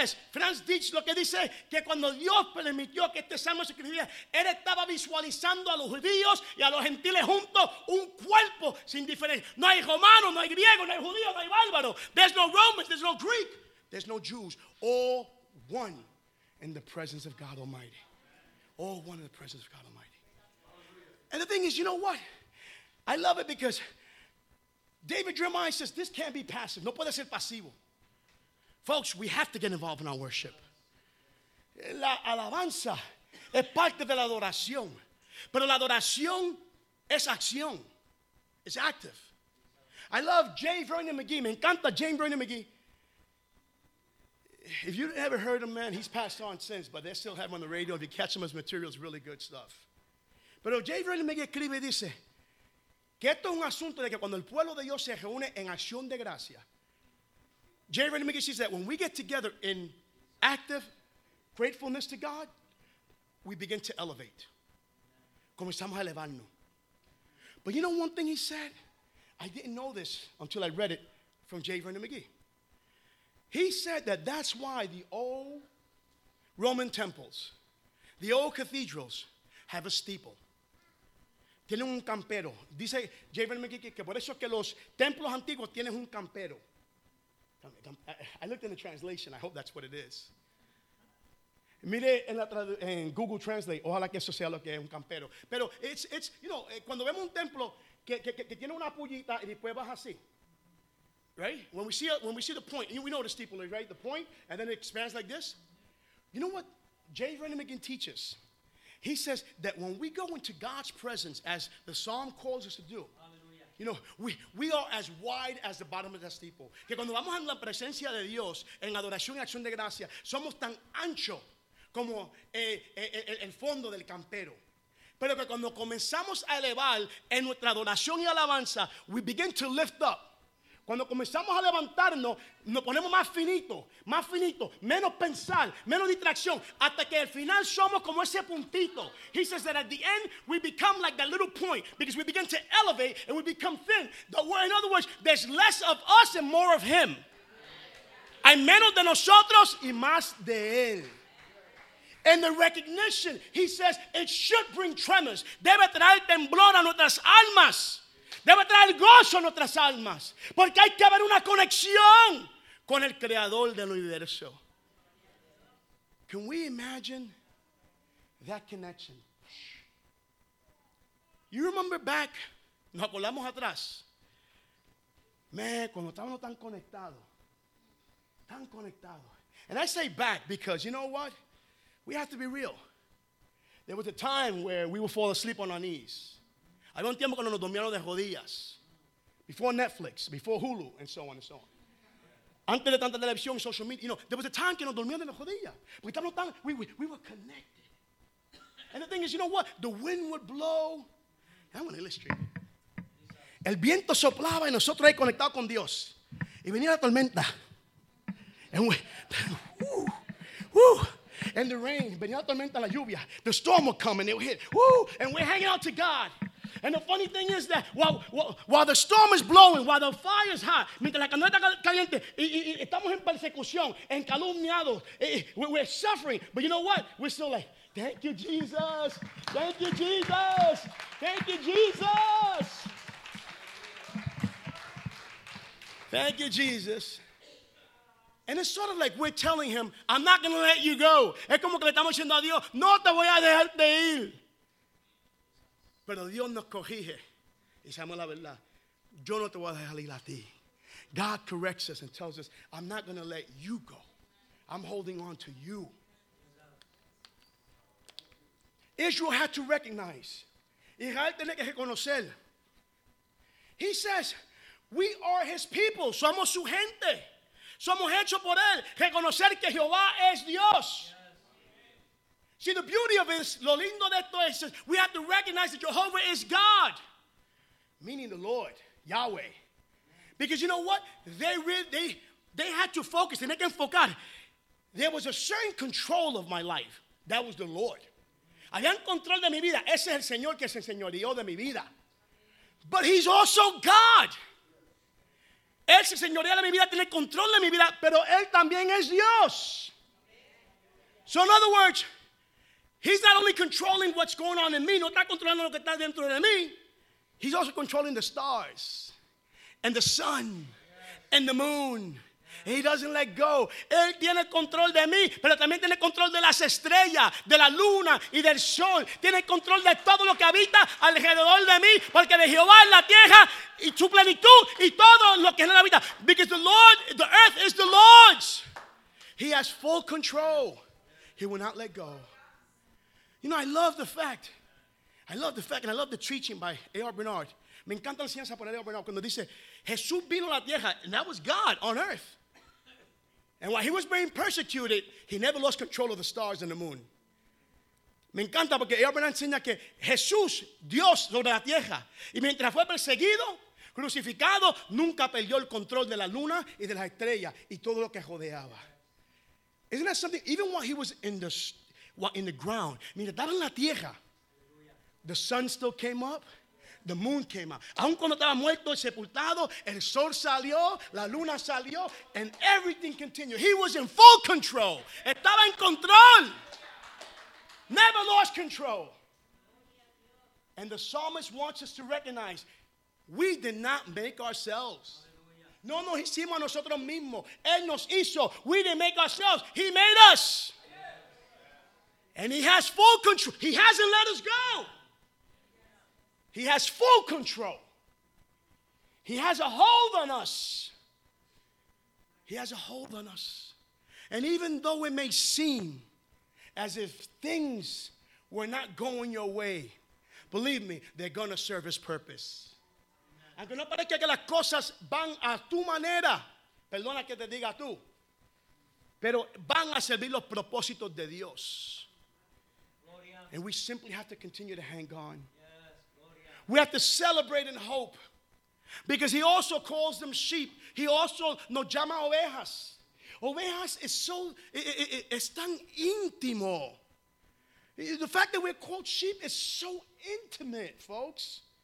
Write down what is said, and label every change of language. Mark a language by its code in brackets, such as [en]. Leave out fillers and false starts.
[es] Franz Dietz lo que dice, que cuando Dios permitió que este salmo se escribiera, él estaba visualizando a los judíos y a los gentiles juntos, un cuerpo sin diferencia. No hay romano, no hay griego, no hay judío, no hay bárbaro. [en] There's no Romans, there's no Greek, there's no Jews. All one in the presence of God Almighty. All one in the presence of God Almighty. And the thing is, you know what? I love it because David Jeremiah says, this can't be passive. [es] No puede ser pasivo. [en] Folks, we have to get involved in our worship. [es] La alabanza es parte de la adoración. Pero la adoración es acción. [en] It's active. I love J. [es] Vernon McGee. Me encanta J. Vernon McGee. [en] If you've ever heard him, man, he's passed on since, but they still have him on the radio. If you catch him, his material is really good stuff. [es] Pero J. Vernon McGee escribe y dice que esto es un asunto de que cuando el pueblo de Dios se reúne en acción de gracia, J. [en] Vernon McGee says that when we get together in active gratefulness to God, we begin to elevate. [es] Comenzamos a elevarnos. [en] But you know one thing he said? I didn't know this until I read it from J. Vernon McGee. He said that that's why the old Roman temples, the old cathedrals, have a steeple. [es] Tienen un campero. Dice J. [en] Vernon McGee [es] que por eso que los templos antiguos tienen un campero. [en] I looked in the translation. I hope that's what it is. [es] Mire en Google Translate. Ojalá que eso sea lo que es un campero. Pero [en] it's you know, [es] cuando vemos un templo que tiene una pullita y después baja así. [en] Right? When we see the point, we know the steeple, right? The point, and then it expands like this. You know what J. Vernon McGee teaches? He says that when we go into God's presence, as the psalm calls us to do, You know, we are as wide as the bottom of the steeple. [es] Que cuando vamos en la presencia de Dios, en adoración y acción de gracia, somos tan ancho como el fondo del campero. Pero que cuando comenzamos a elevar en nuestra adoración y alabanza, [en] we begin to lift up. [es] Cuando comenzamos a levantarnos, nos ponemos más finito, menos pensar, menos distracción, hasta que al final somos como ese puntito. [en] He says that at the end, we become like that little point, because we begin to elevate and we become thin. In other words, there's less of us and more of him. [es] Hay menos de nosotros y más de él. [en] And the recognition, he says, it should bring tremors. [es] Debe traer temblor a nuestras almas. Debe traer gozo a nuestras almas, porque hay que haber una conexión con el creador del universo. [en] Can we imagine that connection? You remember back, [es] nos acordamos atrás. Man, cuando estábamos tan conectados, tan conectados. [en] And I say back because you know what? We have to be real. There was a time where we would fall asleep on our knees. Había un tiempo cuando nos dormíamos de rodillas. Before Netflix, before Hulu, and so on and so on. [es] Antes de tanta televisión y [en] social media. You know, there was a time [es] que nos dormíamos de las rodillas. Porque estábamos tan, [en] we were connected. And the thing is, you know what? The wind would blow. I'm going to illustrate. [es] El viento soplaba y nosotros ahí conectados con Dios. Y venía la tormenta. [en] And we, woo, woo. And the rain, [es] venía la tormenta, la lluvia. [en] The storm would come and it would hit. Woo, and we're hanging out to God. And the funny thing is that while the storm is blowing, while the fire is hot, [es] mientras la candela está caliente, y estamos en persecución, en calumniado, [en] we're suffering. But you know what? We're still like, thank you, Jesus. Thank you, Jesus. Thank you, Jesus. Thank you, Jesus. And it's sort of like we're telling him, I'm not going to let you go. [es] Es como que le estamos diciendo a Dios, no te voy a dejar de ir. Pero Dios nos corrige. Y sabemos la verdad. Yo no te voy a dejar ir a ti. [en] God corrects us and tells us, I'm not going to let you go. I'm holding on to you. Israel had to recognize. [es] Israel tiene que reconocer. [en] He says, we are his people. [es] Somos su gente. Somos hechos por él. Reconocer que Jehová es Dios. [en] See, the beauty of this, [es] lo lindo de esto es, [en] we have to recognize that Jehovah is God, meaning the Lord, Yahweh. Because you know what? They had to focus, and they can focus. There was a certain control of my life. That was the Lord. [es] Había un control de mi vida. Ese es el Señor que se señorió de mi vida. [en] But he's also God. [es] Él se señoría de mi vida, tiene control de mi vida, pero él también es Dios. [en] So in other words, he's not only controlling what's going on in me, [es] no está controlando lo que está dentro de mí. [en] He's also controlling the stars and the sun and the moon. And he doesn't let go. [es] Él tiene control de mí, pero también tiene control de las estrellas, de la luna y del sol. Tiene control de todo lo que habita alrededor de mí, porque de Jehová es la tierra y su plenitud y todo lo que en él habita. [en] Because the Lord, the earth is the Lord's. He has full control. He will not let go. You know, I love the fact, and I love the teaching by A.R. Bernard. [es] Me encanta la enseñanza por A.R. Bernard, cuando dice, Jesús vino a la tierra, [en] and that was God on earth. And while he was being persecuted, he never lost control of the stars and the moon. [es] Me encanta porque A.R. Bernard enseña que Jesús, Dios sobre la tierra, y mientras fue perseguido, crucificado, nunca perdió el control de la luna y de las estrellas y todo lo que rodeaba. [en] Isn't that something? Even while he was in the in the ground. [es] Mira, estaba en la tierra. [en] The sun still came up. The moon came up. [es] Aun cuando estaba muerto y sepultado, el sol salió, la luna salió, [en] and everything continued. He was in full control. [es] Estaba en control. [en] Never lost control. And the psalmist wants us to recognize we did not make ourselves. [es] No nos hicimos a nosotros mismos. Él nos hizo. [en] We didn't make ourselves. He made us. And he has full control. He hasn't let us go. He has full control. He has a hold on us. He has a hold on us. And even though it may seem as if things were not going your way, believe me, they're going to serve his purpose. [es] Aunque no parezca que las cosas van a tu manera, perdona que te diga tú, pero van a servir los propósitos de Dios. Gloria. [en] And we simply have to continue to hang on. Yes, we have to celebrate in hope. Because he also calls them sheep. He also [es] nos llama ovejas. Ovejas [en] is so, [es] es tan íntimo. [en] The fact that we're called sheep is so intimate, folks.